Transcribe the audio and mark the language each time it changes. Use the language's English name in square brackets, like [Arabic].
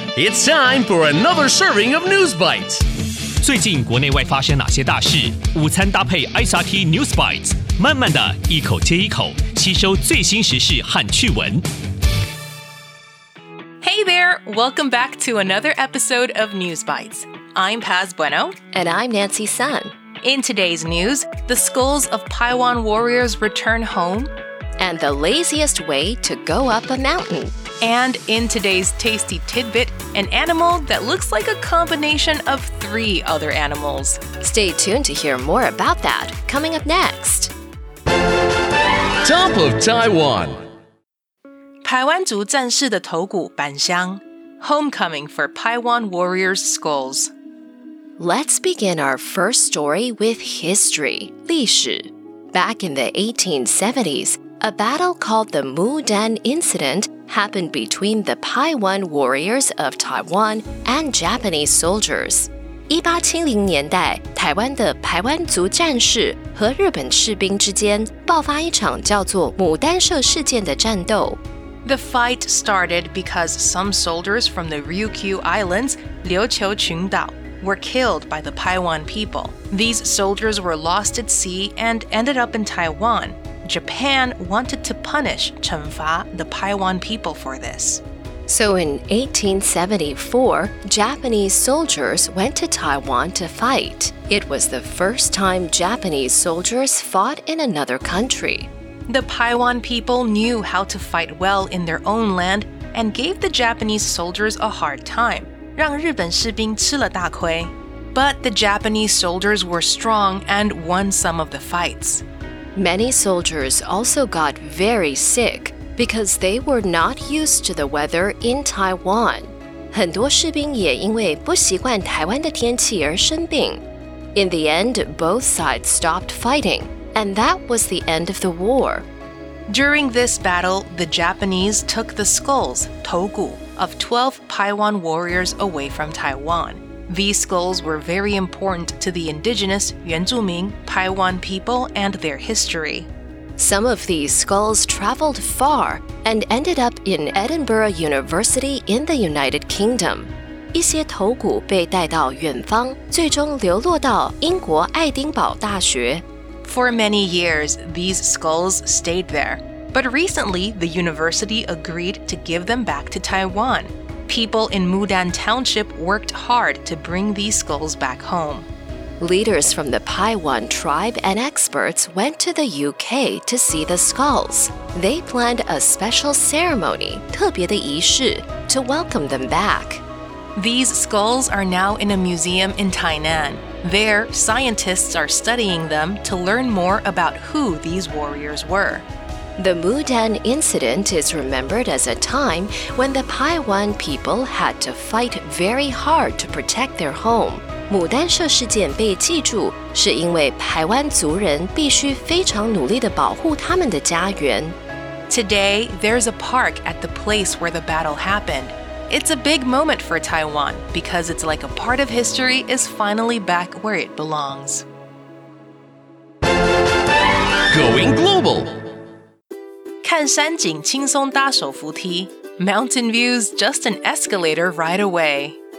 [English] It's time for another serving of News Bites. [Chinese] 最近国内外发生哪些大事？午餐搭配 SRT News Bites， 慢慢的一口接一口，吸收最新时事和趣闻。 [English] Hey there, welcome back to another episode of News Bites. I'm Paz Bueno. And I'm Nancy Sun. In today's news, the skulls of Paiwan warriors return home. And the laziest way to go up a mountain. And in today's Tasty Tidbit, an animal that looks like a combination of three other animals. Stay tuned to hear more about that, coming up next. Top of Taiwan. [Chinese] 排灣族戰士的頭骨返鄉 [English] Homecoming for Paiwan Warriors Skulls. Let's begin our first story with history, 历史. Back in the 1870s, a battle called the Mudan Incident happened between the Paiwan warriors of Taiwan and Japanese soldiers. [Chinese] 1870年代，台湾的排湾族战士和日本士兵之间爆发一场叫做牡丹社事件的战斗。 [English] The fight started because some soldiers from the Ryukyu Islands, 琉球群島, were killed by the Paiwan people. These soldiers were lost at sea and ended up in Taiwan. Japan wanted to punish, 懲罰, the Paiwan people for this. So in 1874, Japanese soldiers went to Taiwan to fight. It was the first time Japanese soldiers fought in another country. The Paiwan people knew how to fight well in their own land and gave the Japanese soldiers a hard time, [Chinese] 讓日本士兵吃了大虧. [English] But the Japanese soldiers were strong and won some of the fights. Many soldiers also got very sick because they were not used to the weather in Taiwan. [Chinese] 很多士兵也因为不习惯台湾的天气而生病。 [English] In the end, both sides stopped fighting, and that was the end of the war. During this battle, the Japanese took the skulls, 头骨, of 12 Paiwan warriors away from Taiwan. These skulls were very important to the indigenous 原住民 Paiwan people and their history. Some of these skulls traveled far and ended up in Edinburgh University in the United Kingdom. [Chinese] 一些头骨被带到远方，最终流落到英国爱丁堡大学。 [English] For many years, these skulls stayed there. But recently, the university agreed to give them back to Taiwan. People in Mudan Township worked hard to bring these skulls back home. Leaders from the Paiwan tribe and experts went to the UK to see the skulls. They planned a special ceremony, [Chinese] 特別的儀式, [English] to welcome them back. These skulls are now in a museum in Tainan. There, scientists are studying them to learn more about who these warriors were. The Mudan incident is remembered as a time when the Paiwan people had to fight very hard to protect their home. [Chinese] 牡丹社事件被记住是因为排湾族人必须非常努力地保护他们的家园。 [English] Today, there's a park at the place where the battle happened. It's a big moment for Taiwan because it's like a part of history is finally back where it belongs. Going global! [Chinese] 看山景轻松搭手扶梯 [English] Mountain views just an escalator ride away.